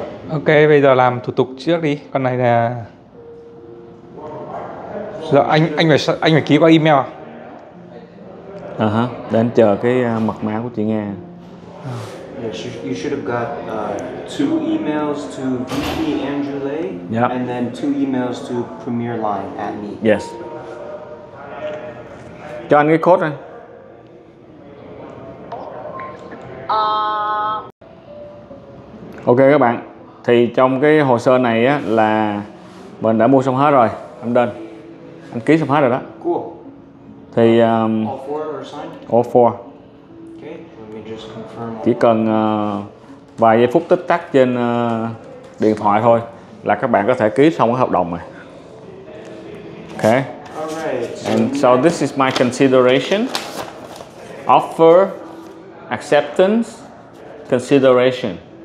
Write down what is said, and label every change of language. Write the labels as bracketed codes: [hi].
[vi] ok, bây giờ làm thủ tục trước đi. Con này là giờ anh phải ký qua email. Để anh chờ cái mật mã của chị nghe. [en] You should have got two emails to VP Andrew Lay, yep. And then two emails to Premier Line at me. Yes. [vi] Cho anh cái code này. Ok các bạn, thì trong cái hồ sơ này á, là mình đã mua xong hết rồi, [en] I'm done. [vi] Anh ký xong hết rồi đó. [en] Cool. [vi] Thì [en] all four are signed? All four. Ok, let me just confirm. [vi] Chỉ cần vài giây phút tích tắc trên điện thoại thôi là các bạn có thể ký xong cái hợp đồng này. [en] Ok. And so this is my consideration, offer, acceptance, consideration.